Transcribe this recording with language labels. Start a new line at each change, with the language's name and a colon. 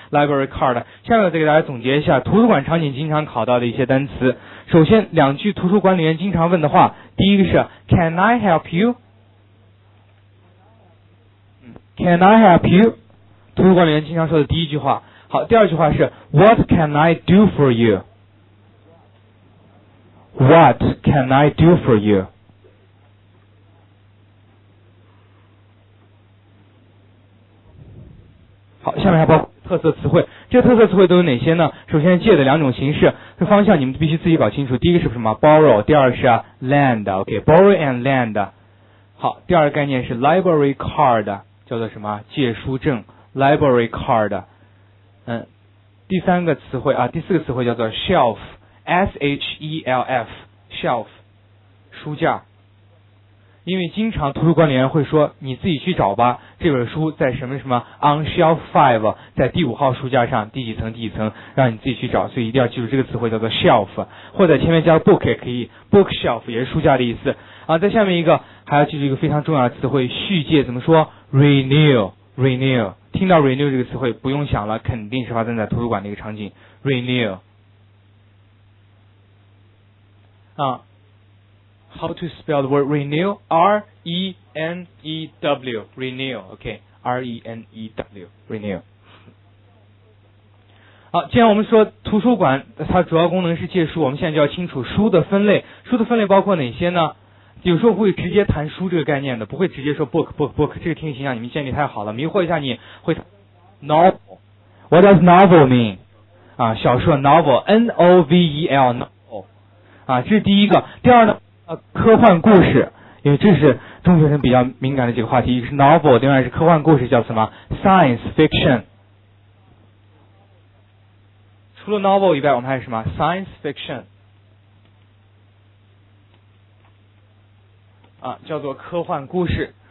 English: Library card。
Chinese: 下面再给大家总结一下图书馆场景经常考到的一些单词。首先，两句图书管理员经常问的话，第一个是
English: Can I help you？ Can I help you？
Chinese: 图书管理员经常说的第一句话。好，第二句话是
English: What can I do for you? What can I do for you?
Chinese: 好，下面还包括特色词汇。这特色词汇都有哪些呢？首先借的两种形式这方向你们必须自己搞清楚，第一个是什么 borrow， 第二是 lend， OK，
English: borrow and lend。
Chinese: 好，第二个概念是 library card， 叫做什么？借书证，library card。第三个词汇啊，第四个词汇叫做 shelf， S-H-E-L-F， shelf， 书架。因为经常图书管理员会说你自己去找吧，这本书在什么什么
English: on shelf 5，
Chinese: 在第五号书架上，第几层第几层，让你自己去找，所以一定要记住这个词汇叫做 shelf， 或者前面加 book 也可以， bookshelf 也是书架的意思啊。在下面一个还要记住一个非常重要的词汇，续借，怎么说？ renew，听到 renew 这个词汇不用想了，肯定是发生在图书馆的一个场景， renew。
English: How to spell the word renew? R-E-N-E-W renew， OK， R-E-N-E-W renew。
Chinese: 好，既然我们说图书馆它主要功能是借书，我们现在就要清楚书的分类。书的分类包括哪些呢？有时候会直接谈书这个概念的，不会直接说 book， 这个听形象你们建立太好了，迷惑一下你会 novel。
English: What does novel mean？
Chinese: 啊，小说 novel， N-O-V-E-L novel。啊，这是第一个。第二呢，科幻故事，因为这是中学生比较敏感的几个话题，一个是 novel， 另外是科幻故事，叫什么 science fiction，除了 novel 以外，我们还有什么 science fiction 啊，叫做科幻故事。